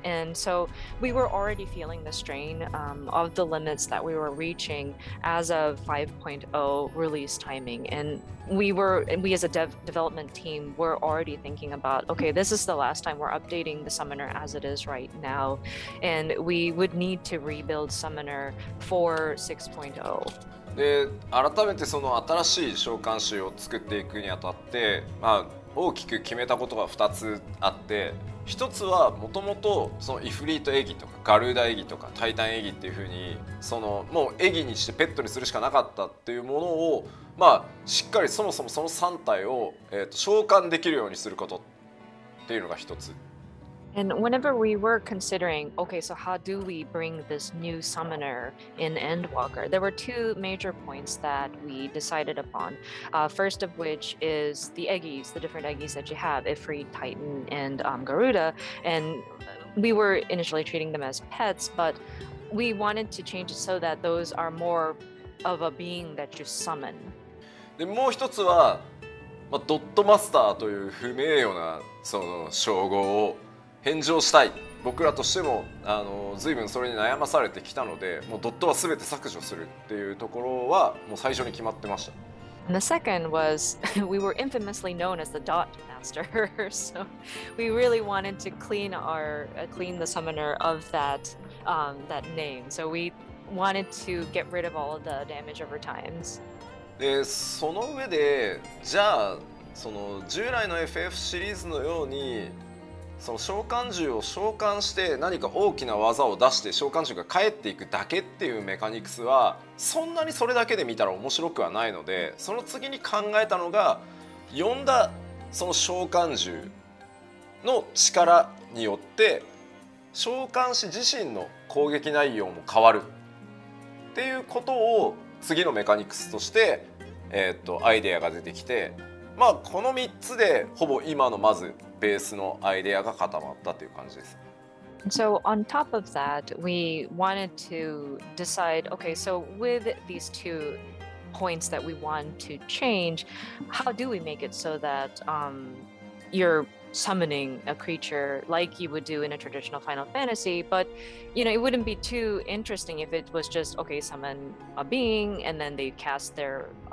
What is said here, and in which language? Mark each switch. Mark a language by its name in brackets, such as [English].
[English] And so we were already feeling the strain of the limits that we were reaching as of 5.0 release timing. And we as a development team were already thinking about, okay, this is the last time we're updating the summoner as it is right now, and we would need to rebuild summoner for 6.0. [Japanese] で、改めてその新しい召喚師を作っていくにあたって、まあ、大きく決めたことが2つあって、1つはもともとそのイフリートエギとかガルーダエギとかタイタンエギっていう風にそのもうエギにしてペットにするしかなかったっていうものをまあ、しっかりそもそもその3体を召喚できるようにすることっていうのが一つ。 [English] And whenever we were considering, okay, so how do we bring this new summoner in Endwalker? There were two major points that we decided upon. First of which is the eggies, the different eggies that you have, Ifrit, Titan, and Garuda. And we were initially treating them as pets, but we wanted to change it so that those are more of a being that you summon. [Japanese] でもう一つは、まあ、ドットマスターという不名誉なその称号を返上したい。僕らとしても随分それに悩まされてきたので、もうドットは全て削除するっていうところはもう最初に決まってました。 [English] And the second was we were infamously known as the Dot Master, so we really wanted to clean the summoner of that that name. So we wanted to get rid of all of the damage over times. [Japanese] でその上でじゃあその従来の FF シリーズのようにその召喚獣を召喚して何か大きな技を出して召喚獣が帰っていくだけっていうメカニクスはそんなにそれだけで見たら面白くはないのでその次に考えたのが呼んだその召喚獣の力によって召喚師自身の攻撃内容も変わるっていうことを次のメカニクスとして、アイデアが出てきて、まあ、この3つでほぼ今のまずベースのアイデアが固まったという感じです。 [English] So on top of that, we wanted to decide, okay, so with these two points that we want to change, how do we make it so that you're summoning a creature like you would do in a traditional Final Fantasy, but you know, it wouldn't be too interesting if it was just, okay, summon a being and then they cast their